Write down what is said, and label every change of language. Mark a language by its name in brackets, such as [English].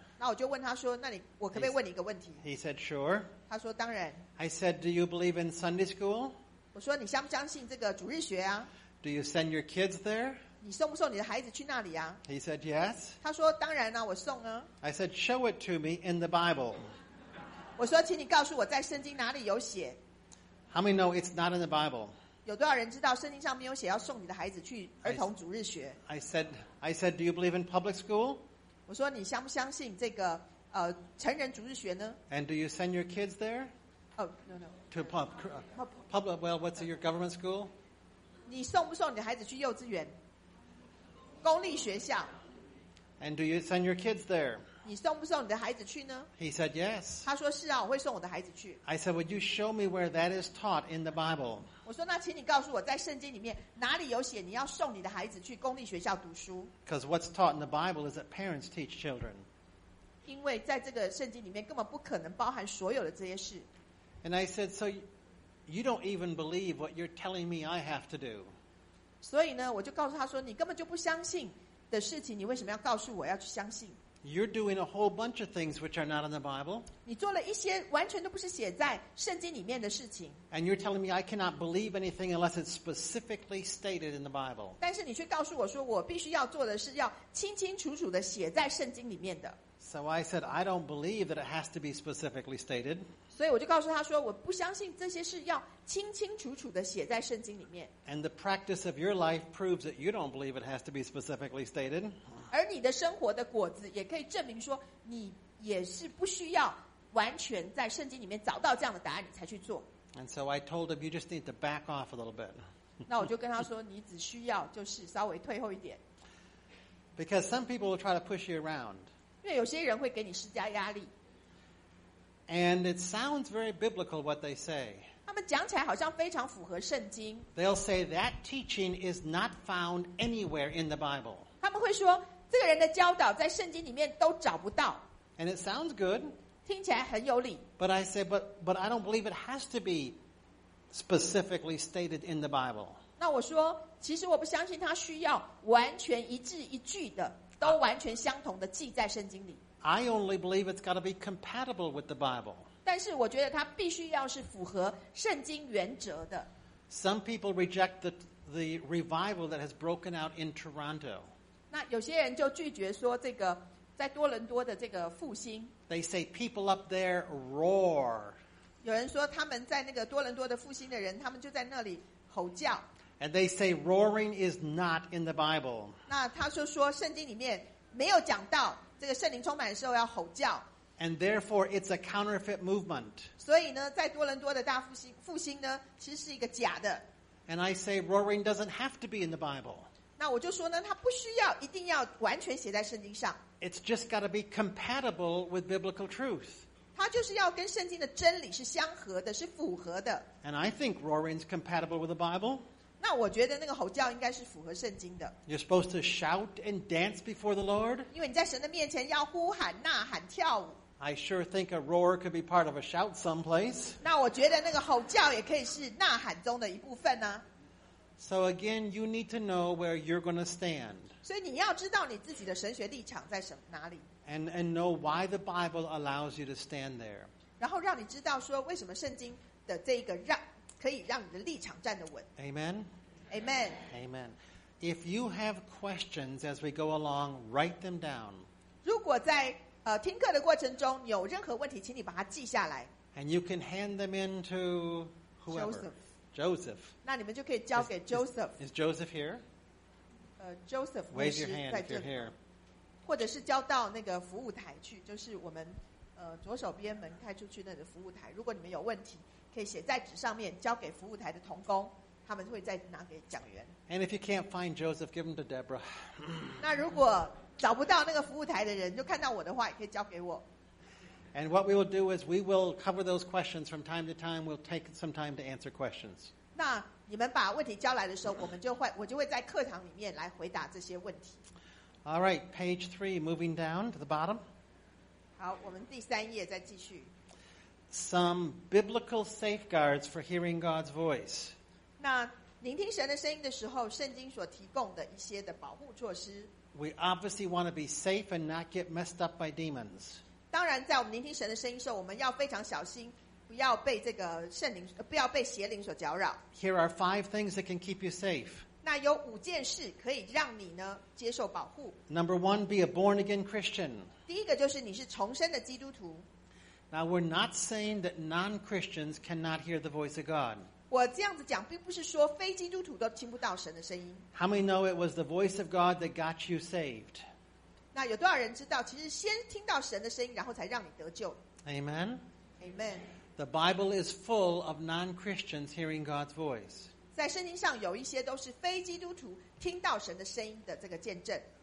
[Chinese] 那我就问他说，那你我可不可以问你一个问题 [English] ？He said, "Sure." [Chinese] 他说当然。 [English] I said, "Do you believe in Sunday school?" [Chinese] 我说你相不相信这个主日学啊 [English] ？Do you send your kids there? [Chinese] 你送不送你的孩子去那里啊 [English] ？He said, "Yes." [Chinese] 他说当然啊，我送啊。 [English] I said, "Show it to me in the Bible." [Chinese] 我说，请你告诉我在圣经哪里有写。 [English] How many know it's not in the Bible? [Chinese] 有多少人知道圣经上没有写要送你的孩子去儿童主日学 [English] I said, do you believe in public school? [Chinese] 我说你相不相信这个成人主日学呢 [English] And do you send your kids there? Oh, no, no. To public, well, what's your government school? [Chinese] 你送不送你的孩子去幼稚园公立学校 [English] And do you send your kids there? [Chinese] 你送不送你的孩子去呢 [English] He said, yes. [Chinese] 他说是啊我会送我的孩子去 [English] I said, would you show me where that is taught in the Bible? [Chinese] 我说那请你告诉我在圣经里面哪里有写你要送你的孩子去公立学校读书 [English] Because what's taught in the Bible is that parents teach children. [Chinese] 因为在这个圣经里面根本不可能包含所有的这些事 [English] And I said, so you don't even believe what you're telling me I have to do. [Chinese] 所以呢我就告诉他说你根本就不相信的事情你为什么要告诉我要去相信 [English] You're doing a whole bunch of things which are not in the Bible. [Chinese] 你做了一些完全都不是写在圣经里面的事情。 [English] And you're telling me I cannot believe anything unless it's specifically stated in the Bible. [Chinese] 但是你却告诉我说，我必须要做的是要清清楚楚的写在圣经里面的。 [English] So I said I don't believe that it has to be specifically stated. [Chinese] 所以我就告诉他说，我不相信这些是要清清楚楚的写在圣经里面。 [English] And the practice of your life proves that you don't believe it has to be specifically stated. [Chinese] 而你的生活的果子也可以证明说，你也是不需要。完全在圣经里面找到这样的答案，你才去做。 [English] And so I told him, you just need to back off a little bit. [Chinese] 那我就跟他说，你只需要就是稍微退后一点。 [English] Because some people will try to push you around. [Chinese] 因为有些人会给你施加压力。 [English] And it sounds very biblical what they say. [Chinese] 他们讲起来好像非常符合圣经。 [English] They'll say that teaching is not found anywhere in the Bible. [Chinese] 他们会说，这个人的教导在圣经里面都找不到。 [English] And it sounds good. [Chinese] 听起来很有理。 [English] But I said, but I don't believe it has to be specifically stated in the Bible. [Chinese] 那我说，其实我不相信它需要完全一字一句的，都完全相同的记在圣经里。 [English] I only believe it's got to be compatible with the Bible. [Chinese] 但是我觉得它必须要是符合圣经原则的。 [English] Some people reject the revival that has broken out in Toronto. [Chinese] 那有些人就拒绝说这个。在多伦多的这个复兴 [English] ，They say people up there roar. [Chinese] 有人说他们在那个多伦多的复兴的人，他们就在那里吼叫。 [English] And they say roaring is not in the Bible. [Chinese] 那他就说圣经里面没有讲到这个圣灵充满的时候要吼叫。 [English] And therefore, it's a counterfeit movement. [Chinese] 所以呢，在多伦多的大复兴，复兴呢，其实是一个假的。 [English] And I say, roaring doesn't have to be in the Bible. [Chinese] 那我就说呢，它不需要，一定要完全写在圣经上。 [English] It's just got to be compatible with biblical truth. [Chinese] 它就是要跟圣经的真理是相合的，是符合的。 [English] And I think roaring's compatible with the Bible. [Chinese] 那我觉得那个吼叫应该是符合圣经的。 [English] You're supposed to shout and dance before the Lord. [Chinese] 因为你在神的面前要呼喊、呐喊、跳舞。 [English] I sure think a roar could be part of a shout someplace. [Chinese] 那我觉得那个吼叫也可以是呐喊中的一部分呢。 [English] So again, you need to know where you're going to stand. [Chinese] 所以你要知道你自己的神学立场在什么哪里。 [English] And know why the Bible allows you to stand there. [Chinese] 然后让你知道说为什么圣经的这个让。可以让你的立场站得稳。 [English] Amen. Amen. Amen. If you have questions as we go along, write them down. [Chinese] 如果在听课的过程中有任何问题，请你把它记下来。 [English] And you can hand them in to whoever. Joseph. Joseph. [Chinese] 那你们就可以交给 Joseph. [English] Is Joseph here? Joseph. Wave your hand if you're here. [Chinese] 或者是交到那个服务台去，就是我们左手边门开出去那个服务台。如果你们有问题。可以写在纸上面交给服务台的同工他们会再拿给讲员 [English] And if you can't find Joseph, give him to Deborah [Chinese] 那如果找不到那个服务台的人就看到我的话也可以交给我 [English] And what we will do is we will cover those questions from time to time we'll take some time to answer questions [Chinese] 那你们把问题交来的时候我就会在课堂里面来回答这些问题 [English] All right, page 3, moving down to the bottom [Chinese] 好我们第三页再继续 [English] Some biblical safeguards for hearing God's voice. [Chinese] 那聆听神的声音的时候，圣经所提供的一些的保护措施。 [English] We obviously want to be safe and not get messed up by demons. [Chinese] 当然，在我们聆听神的声音的时候，我们要非常小心，不要被这个圣灵，不要被邪灵所搅扰。 [English] Here are 5 things that can keep you safe. [Chinese] 那有五件事可以让你呢接受保护。 [English] Number 1, be a born again Christian. [Chinese] 第一个就是你是重生的基督徒。 [English] Now, we're not saying that non-Christians cannot hear the voice of God. [Chinese] 我这样子讲并不是说非基督徒都听不到神的声音。 [English] How many know it was the voice of God that got you saved? [Chinese] 那有多少人知道其实先听到神的声音然后才让你得救。 [English] Amen. Amen. The Bible is full of non-Christians hearing God's voice. [Chinese] 在圣经上有一些都是非基督徒听到神的声音的这个见证。